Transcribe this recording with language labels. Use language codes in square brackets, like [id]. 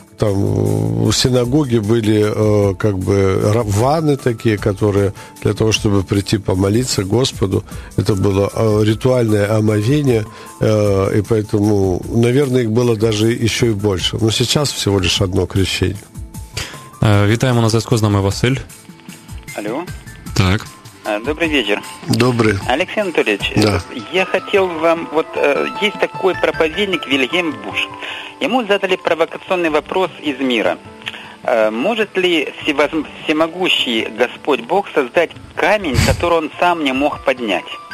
[ru] Там в синагоге были как бы ванны такие, которые для того, чтобы прийти помолиться Господу. Это было ритуальное омовение, и поэтому, наверное, их было даже еще и больше. Но сейчас всего лишь одно крещение. [uk] Витаем у нас зв'язку з нами Василь. Алло. Так. [ru] Добрый вечер. Добрый. Алексей Анатольевич, да. Я хотел вам... Вот есть такой проповедник Вильгельм Буш. Ему задали провокационный вопрос из мира. Может ли всемогущий Господь Бог создать камень, который он сам не мог поднять?